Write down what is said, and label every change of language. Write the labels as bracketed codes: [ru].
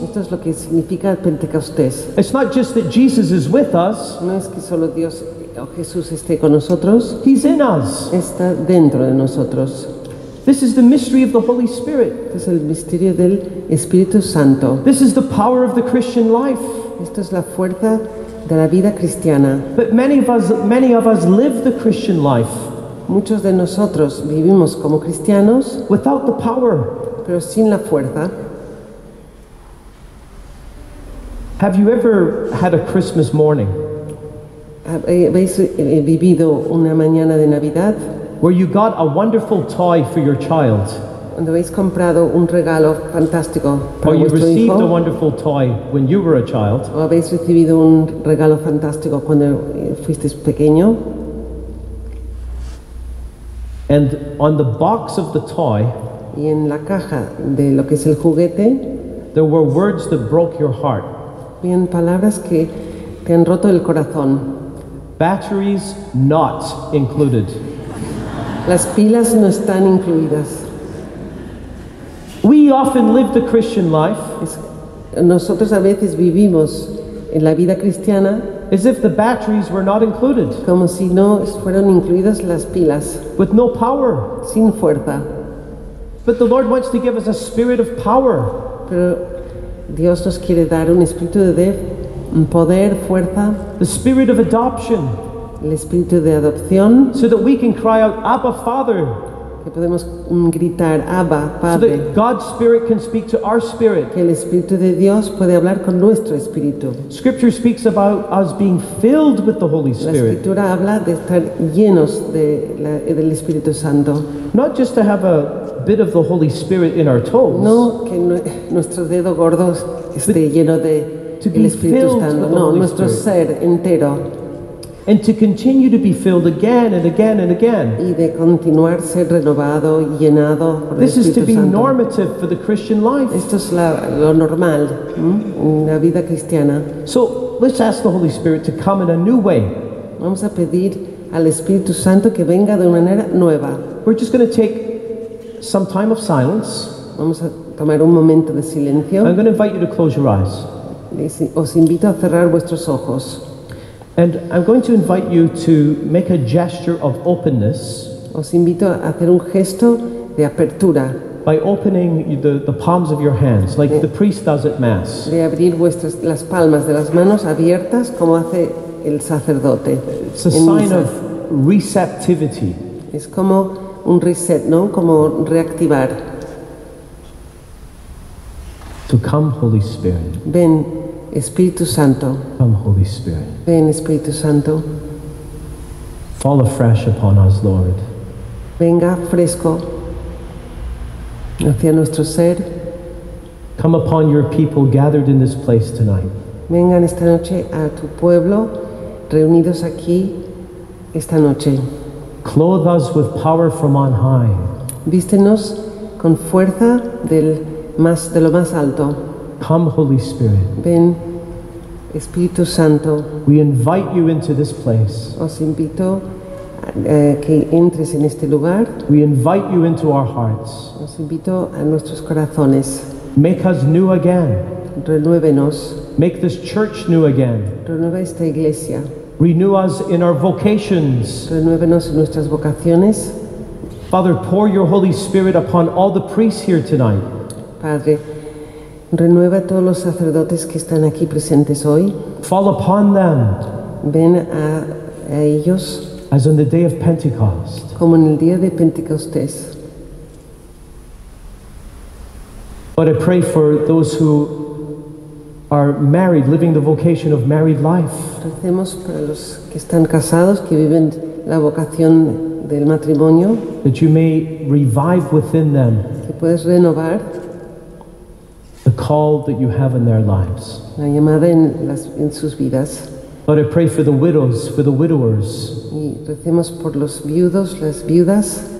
[es] Esto es lo que significa Pentecostés. [en] It's not just that Jesus is with us. [es] No es que solo Dios o Jesús esté con nosotros. [en] He's in us. [es] Está dentro de nosotros. [en] This is the mystery of the Holy Spirit. [es] Este es el misterio del Espíritu Santo. [en] This is the power of the Christian life. [es] Esto es la fuerza de la vida cristiana. [en] But many of us live the Christian life. [es] Muchos de nosotros vivimos como cristianos. [en] Without the power. [es] Pero sin la fuerza. [en] Have you ever had a Christmas morning? [es] ¿Habéis vivido una mañana de Navidad? [en] Where you got a wonderful toy for your child. [es] Cuando habéis comprado un regalo fantástico para vuestro [en] Or you received a wonderful toy when you were a child. [es] O habéis recibido un regalo fantástico cuando fuisteis pequeño. [en] And on the box of the toy, [es] y en la caja de lo que es el juguete, [en] there were words that broke your heart. [es] Habían palabras que te han roto el corazón. [en] Batteries not included. [es] Las pilas no están incluidas. [en] We often live the Christian life. [es] Nosotros a veces vivimos en la vida cristiana. [en] As if the batteries were not included. [es] Como si no fueron incluidas las pilas. [en] With no power. [es] Sin fuerza. [en] But the Lord wants to give us a spirit of power. [es] Pero Dios nos quiere dar un espíritu de poder, fuerza. [en] The spirit of adoption. [es] El espíritu de adopción. [en] So that we can cry out, Abba, Father. [es] Que podemos gritar, Abba, Padre. [en] So that God's Spirit can speak to our spirit. [es] Que el Espíritu de Dios puede hablar con nuestro espíritu. [en] Scripture speaks about us being filled with the Holy Spirit. [es] La Escritura habla de estar llenos del Espíritu Santo. [en] Not just to have a bit of the Holy Spirit in our toes. [es] No, que nuestro dedo gordo esté lleno del Espíritu Santo. No, nuestro ser entero. [en] And to continue to be filled again and again and again. [es] Y de continuar ser renovado, llenado por el Espíritu Santo. [en] This is to be normative for the Christian life. [es] Esto es lo normal en la vida cristiana. [en] So let's ask the Holy Spirit to come in a new way. [es] Vamos a pedir al Espíritu Santo que venga de manera nueva. [en] We're just going to take some time of silence. [es] Vamos a tomar un momento de silencio. [en] I'm going to invite you to close your eyes. [es] Os invito a cerrar vuestros ojos. [en] And I'm going to invite you to make a gesture of openness. [es] Os invito a hacer un gesto de apertura. [en] By opening the palms of your hands, like the priest does at Mass. [es] De abrir las palmas de las manos abiertas, como hace el sacerdote. [en] It's a sign of receptivity. [es] Es como un reset, ¿no? Como reactivar. [en] So come, Holy Spirit. [es] Ven. Espíritu Santo. [en] Come, Holy Spirit. [es] Ven, Espíritu Santo. [en] Fall afresh upon us, Lord. [es] Venga fresco hacia nuestro ser. [en] Come upon your people gathered in this place tonight. [es] Vengan esta noche a tu pueblo reunidos aquí esta noche. [en] Clothe us with power from on high. [es] Vístenos con fuerza de lo más alto. [en] Come, Holy Spirit. [es] Ven, Espíritu Santo. [en] We invite you into this place. [es] Os invito que entres en este lugar. [en] We invite you into our hearts. [es] Os invito a nuestros corazones. [en] Make us new again. [es] Renuévenos. [en] Make this church new again. [es] Renueva esta iglesia. [en] Renew us in our vocations. [es] Renuévenos en nuestras vocaciones. [en] Father, pour your Holy Spirit upon all the priests here tonight. [es] Padre, renueva a todos los sacerdotes que están aquí presentes hoy. [en] Fall upon them. [es] Ven a ellos. [en] As on the day of Pentecost. [es] Como en el día de Pentecostés. [en] But I pray for those who are married, living the vocation of married life. [es] Recemos para los que están casados, que viven la vocación del matrimonio. [en] That you may revive within them. [es] Que puedes renovar. [en] The call that you have in their lives. [es] La llamada en sus vidas. [en] Lord, I pray for the widows, for the widowers. [es] Y recemos por los viudos, las viudas.